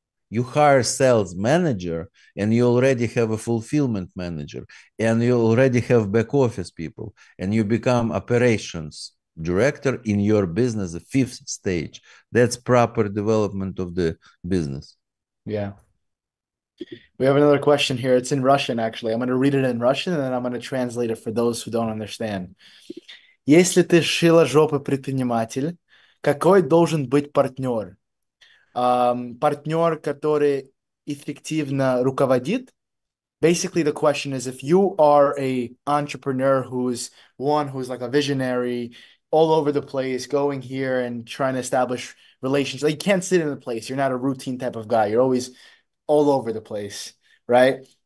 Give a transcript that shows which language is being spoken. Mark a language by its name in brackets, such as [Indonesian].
[English] You hire sales manager, and you already have a fulfillment manager, and you already have back office people, and you become operations director in your business, the fifth stage. That's proper development of the business. We have another question here. It's in Russian, actually. I'm going to read it in Russian, and then I'm going to translate it for those who don't understand. [Russian] Если ты шило-жопа-предприниматель, какой должен быть партнер? Партнер, который эффективно руководит? [English] Basically, the question is, if you are a entrepreneur who's one who's like a visionary, all over the place, going here and trying to establish relations, like you can't sit in a place. You're not a routine type of guy. You're always all over the place, right?